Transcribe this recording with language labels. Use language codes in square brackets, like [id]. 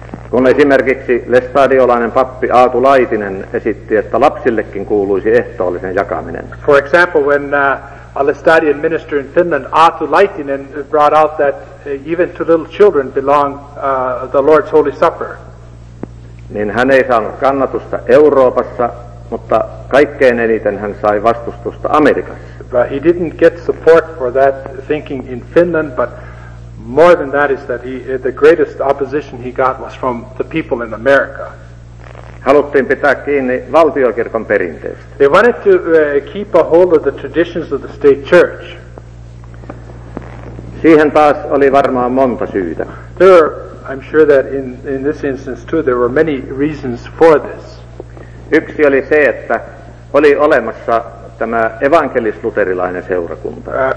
[fi] Kun esimerkiksi lestadiolainen pappi Aatu Laitinen esitti, että lapsillekin kuuluisi ehtoollisen jakaminen. [en] For example, when a lestadian minister in Finland, Aatu Laitinen, brought out that even to little children belong the Lord's Holy Supper. [fi] Niin hän ei saanut kannatusta Euroopassa, mutta kaikkein eniten hän sai vastustusta Amerikassa. [en] But he didn't get support for that thinking in Finland, but more than that is that the greatest opposition he got was from the people in America. [fi] Haluttiin pitää kiinni valtiokirkon perinteestä. [en] They wanted to keep a hold of the traditions of the state church. [fi] Siihen taas oli varmaan monta syytä. [en] I'm sure that in this instance too there were many reasons for this. [fi] Yksi oli se, että oli olemassa tämä evankelis-luterilainen seurakunta.